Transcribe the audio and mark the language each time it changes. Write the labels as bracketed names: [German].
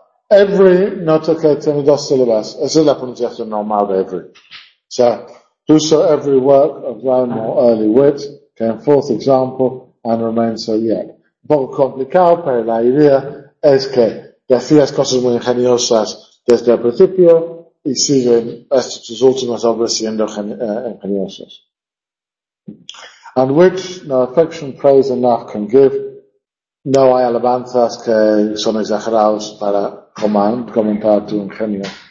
[Spanish] Every nota que tiene dos sílabas. Esa es la pronunciación normal de every. O sea, [English] whoso every work of thy more early wit came forth example and remains so yet. [Spanish] Un poco complicado, pero la idea es que decías cosas muy ingeniosas desde el principio y siguen tus últimas obras siendo ingeniosas. [English] And which no affection, praise enough can give, [Spanish] no hay alabanzas que son exagerados para comentar tu ingenio.